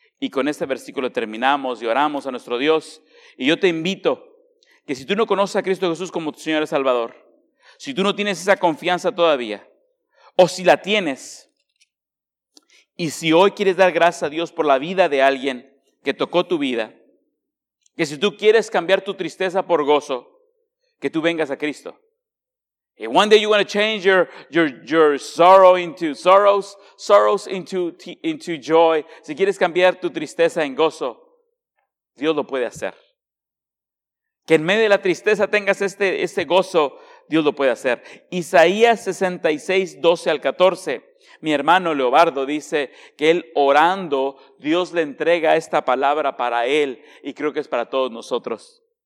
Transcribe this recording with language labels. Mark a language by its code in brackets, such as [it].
[es] Y con este versículo terminamos y oramos a nuestro Dios. Y yo te invito que si tú no conoces a Cristo Jesús como tu Señor y Salvador, si tú no tienes esa confianza todavía, o si la tienes, y si hoy quieres dar gracias a Dios por la vida de alguien que tocó tu vida, que si tú quieres cambiar tu tristeza por gozo, que tú vengas a Cristo. [en] And one day you want to change your sorrow into sorrows into joy. [es] Si quieres cambiar tu tristeza en gozo, Dios lo puede hacer. Que en medio de la tristeza tengas este gozo, Dios lo puede hacer. Isaías 66, 12 al 14. Mi hermano Leobardo dice que él orando, Dios le entrega esta palabra para él y creo que es para todos nosotros.